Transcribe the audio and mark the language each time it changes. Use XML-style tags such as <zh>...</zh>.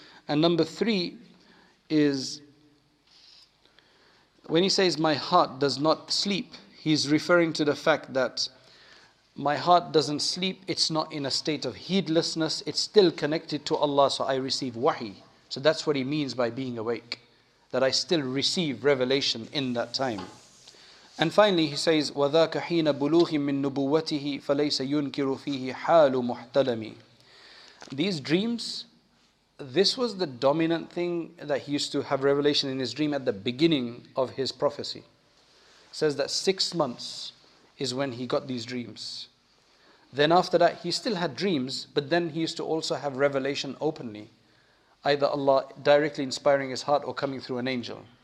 <en>And number three is, when he says my heart does not sleep, he's referring to the fact that my heart doesn't sleep, it's not in a state of heedlessness, it's still connected to Allah, so I receive wahi. So that's what he means by being awake, that I still receive revelation in that time. And finally, he says,</en> <ar>وَذَاكَ حِينَ بُلُوْهِ مِّن نُبُوَّتِهِ فَلَيْسَ يُنْكِرُ فِيهِ حَالُ مُحْتَلَمِ.</ar> <en>These dreams, this was the dominant thing, that he used to have revelation in his dream at the beginning of his prophecy. It says that 6 months is when he got these dreams. Then after that, he still had dreams, but then he used to also have revelation openly, either Allah directly inspiring his heart or coming through an angel.</en>